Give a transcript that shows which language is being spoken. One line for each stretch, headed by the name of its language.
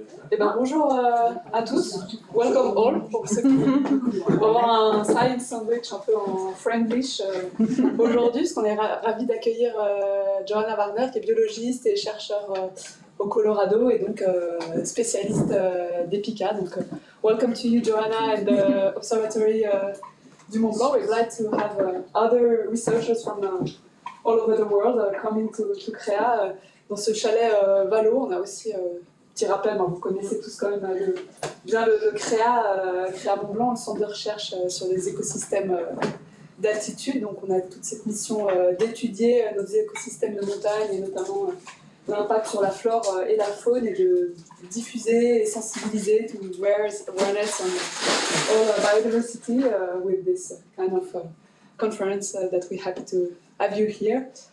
French: Eh ben, bonjour à tous,
English: welcome all
French: pour ceux qui vont avoir un science sandwich un peu en friendlish aujourd'hui, parce qu'on est ravis d'accueillir Johanna Varner, qui est biologiste et chercheur au Colorado et donc spécialiste des pikas.
English: Donc, welcome to you, Johanna, and the Observatory du Mont-Blanc. We're glad to have other researchers from all over the world coming to CREA.
French: Dans ce chalet Valo, on a aussi, petit rappel, ben, vous connaissez tous quand même le CREA, CREA Mont-Blanc, le centre de recherche sur les écosystèmes d'altitude. Donc on a toute cette mission d'étudier nos écosystèmes de montagne et notamment l'impact sur la flore et la faune et de diffuser et sensibiliser
English: to awareness on all biodiversity with this kind of conference that we're happy to have you here.